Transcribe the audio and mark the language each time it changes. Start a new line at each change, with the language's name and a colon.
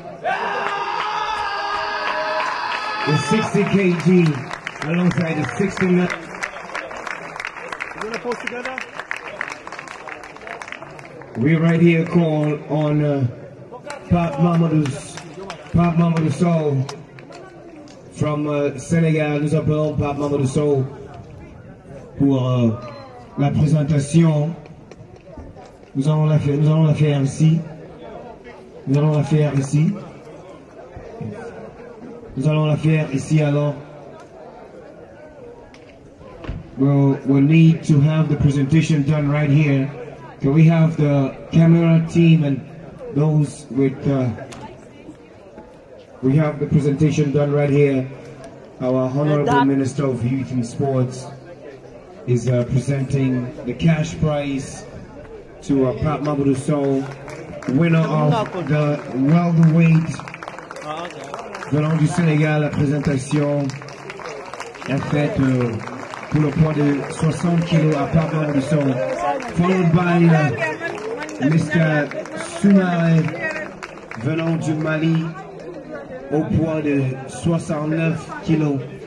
English: The 60 kg alongside the 69. You wanna pose together? We're right here call on Pap Mamadou Sow. from Senegal,
French: nous appelons par Mamadou Sow pour la présentation. Nous allons la faire ici.
English: Alors, we'll need to have the presentation done right here. Can we have the camera team and those with? We have the presentation done right here. Our Honorable Minister of Youth and Sports is presenting the cash prize to Pat Mamadou Sow, winner of the welterweight.
French: Venant du Sénégal, la présentation est faite pour le poids de 60 kilos à Pat Mamadou Sow,
English: followed by Mr.
French: Soumaré, venant du Mali, au poids de 69 kilos.